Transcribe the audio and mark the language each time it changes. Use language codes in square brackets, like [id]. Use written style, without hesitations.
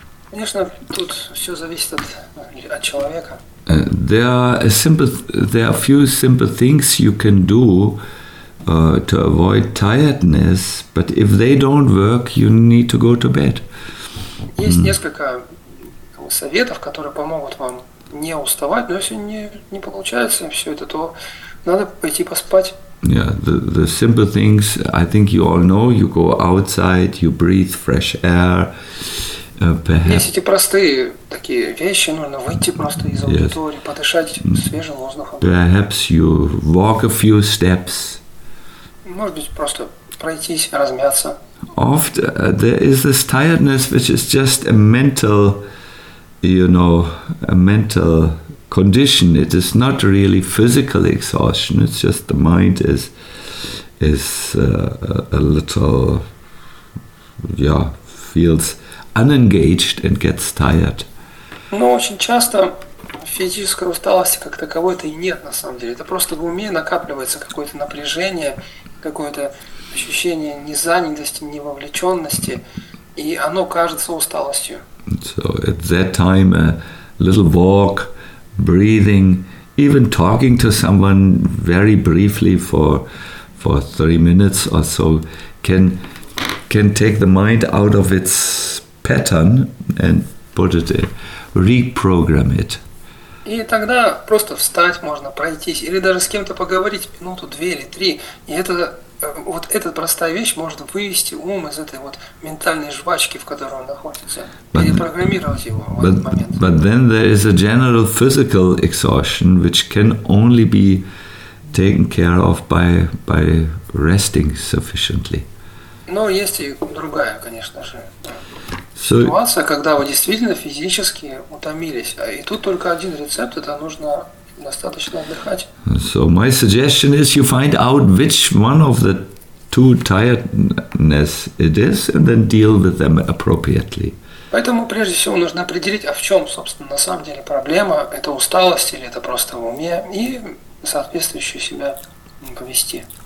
[ru] Конечно, тут все зависит от человека. [en] There are a few simple things you can do to avoid tiredness, but if they don't work, you need to go to bed. [ru] Есть несколько советов, которые помогут вам не уставать, но если не получается все это, то надо пойти поспать. [en] Yeah, the simple things, I think you all know, you go outside, you breathe fresh air, perhaps... [ru] Есть эти простые такие вещи, нужно выйти просто из аудитории, подышать свежим воздухом. [en] Perhaps you walk a few steps. [ru] Может быть, просто пройтись, размяться. [en] Often there is this tiredness, which is just a mental, a mental... condition. It is not really physical exhaustion. It's just the mind is a little feels unengaged and gets tired. [ru] Но очень часто физической усталости как таковой-то и нет на самом деле. Это просто в уме накапливается какое-то напряжение, какое-то ощущение незанятости, невовлеченности, и оно кажется усталостью. [en] So at that time a little walk. Breathing, even talking to someone very briefly for 3 minutes or so can take the mind out of its pattern and put it in, reprogram it. [ru] И тогда просто встать можно, пройтись, или даже с кем-то поговорить минуту, две или три. И это вот эта простая вещь может вывести ум из этой вот ментальной жвачки, в которой он находится, перепрограммировать его в этот момент. [en] But then there is a general physical exhaustion, which can only be taken care of by resting sufficiently. [ru] Но есть и другая, конечно же, ситуация, когда вы действительно физически утомились, и тут только один рецепт, это нужно достаточно отдыхать. [en] So my suggestion is you find out which one of the two tiredness it is and then deal with them appropriately. [ru] Поэтому прежде всего нужно определить, а в чем, собственно, на самом деле проблема, это усталость или это просто в уме, и соответствующую себя повести.